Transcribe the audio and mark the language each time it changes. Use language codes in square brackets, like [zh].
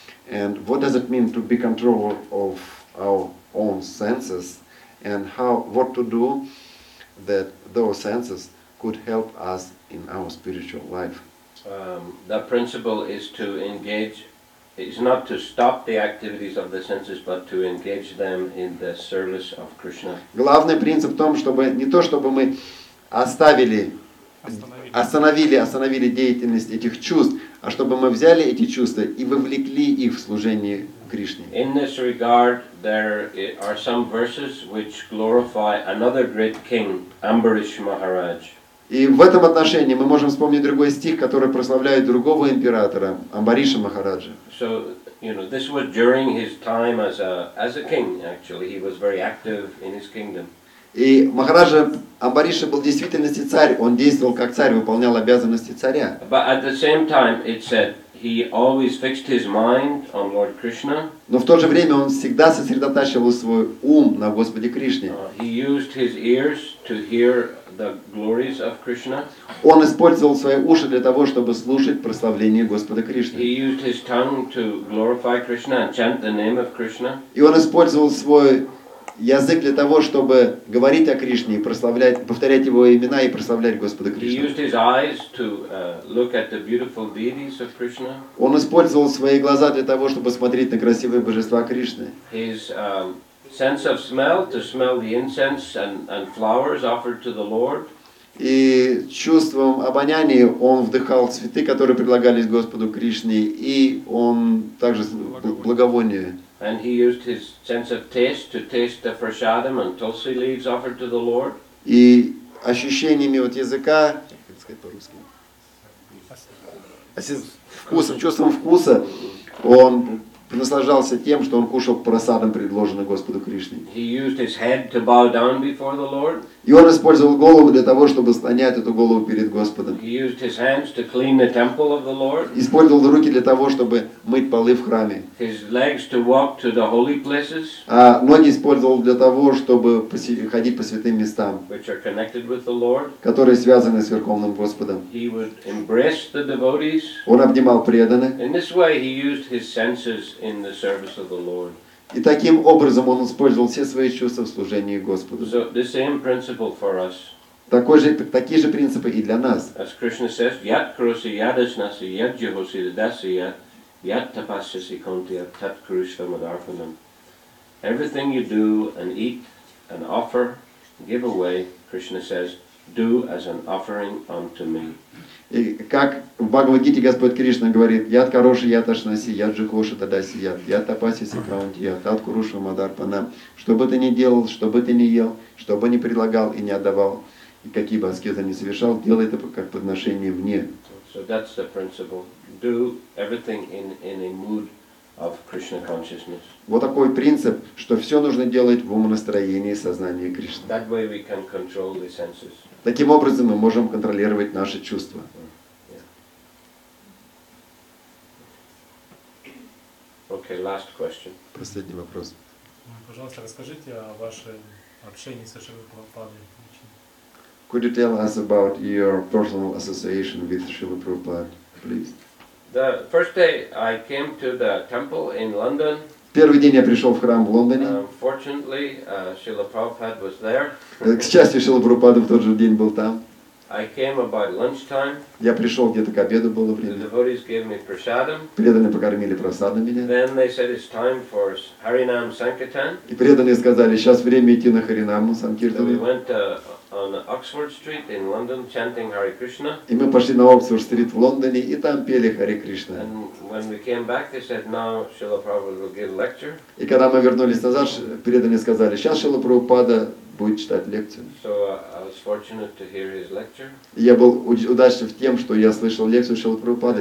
[en] And what does it mean to be controller of our own senses, and how, what to do that those senses could help us in our spiritual life? The principle is to engage It's not to stop the activities of the senses, but to engage them in the service of Krishna. [ru] Главный принцип в том, чтобы не то, чтобы мы оставили, остановили деятельность этих чувств, а чтобы мы взяли эти чувства и вовлекли их в служение Кришне. [en] In this regard, there are some verses which glorify another great king, Ambarish Maharaj. [ru] И в этом отношении мы можем вспомнить другой стих, который прославляет другого императора, Амбариша Махараджа. [en] So, you know, this was during his time as a king, actually. He was very active in his kingdom. [ru] И Махараджа Амбариша был в действительности царь. Он действовал как царь, выполнял обязанности царя. [en] But at the same time, it said, he always fixed his mind on Lord Krishna. [ru] Но в то же время он всегда сосредотачивал свой ум на Господе Кришне. [en] He used his ears to hear the glories of Krishna. [ru] Он использовал свои уши для того, чтобы слушать прославление Господа Кришны. [en] He used his tongue to glorify Krishna and chant the name of Krishna. [ru] И он использовал свой язык для того, чтобы говорить о Кришне и прославлять, повторять его имена и прославлять Господа Кришну. [en] He used his eyes to look at the beautiful deities of Krishna. [ru] Он использовал свои глаза для того, чтобы смотреть на красивые божества Кришны. [en] His sense of smell to smell the incense and flowers offered to the Lord. [ru] И чувством обоняния он вдыхал цветы, которые предлагались Господу Кришне, и он также благовония. [en] And he used his sense of taste to taste the prasadam and tulsi leaves offered to the Lord. [ru] И ощущениями вот языка, как сказать по-русски, вкусом, чувством вкуса, он наслаждался тем, что он кушал прасадам, предложенный Господу Кришне. [en] He used his head to bow down before the Lord. [ru] И он использовал голову для того, чтобы склонять эту голову перед Господом. [en] He used his hands to clean the temple of the Lord. [ru] Использовал руки для того, чтобы мыть полы в храме. [en] His legs to walk to the holy places. [ru] А ноги использовал для того, чтобы ходить по святым местам, [en] which are connected with the Lord. [ru] Которые связаны с Верховным Господом. [en] He would embrace the devotees. [ru] Он обнимал преданных. [en] In this way he used his senses in the service of the Lord. [ru] И таким образом он использовал все свои чувства в служении Господу. [en] So the same principle for us. [ru] Такие же принципы и для нас. [en] As Krishna says, [sa] yat krusi yadasnasi yat jihosi dasi yat yat tapasasi konti yat tat krusha madarpanam. [en] Everything you do and eat and offer, give away, Krishna says, do as an offering unto me. [ru] И как в Бхагавад-гите Господь Кришна говорит: [sa] «Яд хороший, яд ашнаси, яд жихоша, тадаси, яд, яд тапаси, сикраунти, яд, ад куруша, мадарпана». [ru] Что бы ты ни делал, что бы ты ни ел, что бы ни предлагал и не отдавал, и какие бы аскезы ни совершал, делай это как подношение мне. [en] So that's the principle. Do everything in a mood of Krishna consciousness. [ru] Вот такой принцип, что все нужно делать в умонастроении сознания Кришны. [en] That way we can control the senses. [ru] Таким образом, мы можем контролировать наши чувства. [en] Okay, last question. [ru] Последний вопрос. Пожалуйста, расскажите о вашем общении со Шрилой Прабхупадой. [en] Could you tell us about your personal association with Шрилой Прабхупадой, please? The first day I came to the temple in London. [ru] Первый день я пришел в храм в Лондоне. [en] Fortunately, Srila Prabhupada was there. [ru] К счастью, Шрила Прабхупада в тот же день был там. [en] I came about lunchtime. [ru] Я пришел где-то к обеду было время. [en] The devotees gave me prasadam. [ru] Преданные покормили прасадом меня. [en] Then they said it's time for Harinam Sankirtan. [ru] И преданные сказали: сейчас время идти на Харинаму Санкиртану. [en] So we went on Oxford Street in London, chanting Hare Krishna. [ru] И мы пошли на Oxford Street в Лондоне и там пели Харе Кришна. [en] And when we came back, they said, now Srila Prabhupada will give lecture. [ru] И когда мы вернулись назад, преданные сказали: сейчас Шрила Прабхупада будет читать лекцию. [en] So I was fortunate to hear his lecture. [ru] Я был удачлив тем, что я слышал лекцию Шрилы Прабхупады.